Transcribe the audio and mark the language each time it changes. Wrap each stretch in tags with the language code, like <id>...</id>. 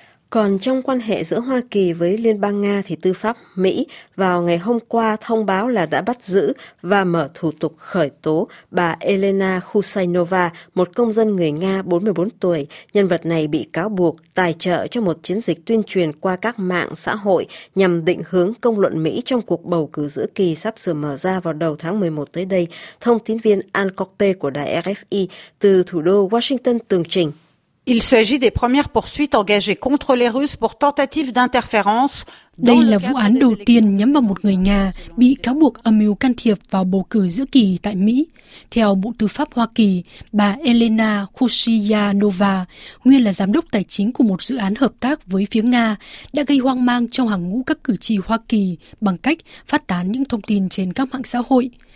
<vi>Còn trong quan hệ giữa Hoa Kỳ với Liên bang Nga thì tư pháp Mỹ vào ngày hôm qua thông báo là đã bắt giữ và mở thủ tục khởi tố bà Elena Khusainova, một công dân người Nga 44 tuổi. Nhân vật này bị cáo buộc tài trợ cho một chiến dịch tuyên truyền qua các mạng xã hội nhằm định hướng công luận Mỹ trong cuộc bầu cử giữa kỳ sắp sửa mở ra vào đầu tháng 11 tới đây. Thông tín viên Anne Corpe của đài RFI từ thủ đô Washington tường trình.</vi> <fr>Il s'agit des premières poursuites engagées contre les Russes pour tentative d'interférence.</fr> <vi>Đây là vụ án đầu tiên nhắm vào một người Nga bị cáo buộc âm mưu can thiệp vào bầu cử giữa kỳ tại Mỹ. Theo Bộ Tư pháp Hoa Kỳ, bà Elena Khusainova, nguyên là giám đốc tài chính của một dự án hợp tác với phía Nga, đã gây hoang mang trong hàng ngũ các cử tri Hoa Kỳ bằng cách phát tán những thông tin trên các mạng xã hội.</vi>